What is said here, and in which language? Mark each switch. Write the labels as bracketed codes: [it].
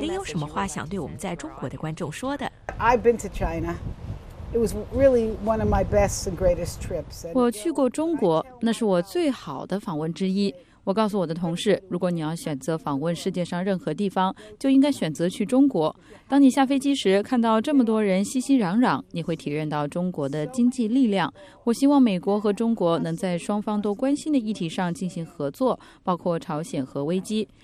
[zh] 您有什么话想对我们在中国的观众说的 [en] ？I've been to China. It was really one of my best and greatest trips. [zh] 我去过中国，那是我最好的访问之一。我告诉我的同事，如果你要选择访问世界上任何地方，就应该选择去中国。当你下飞机时，看到这么多人熙熙攘攘，你会体验到中国的经济力量。我希望美国和中国能在双方都关心的议题上进行合作，包括朝鲜核危机。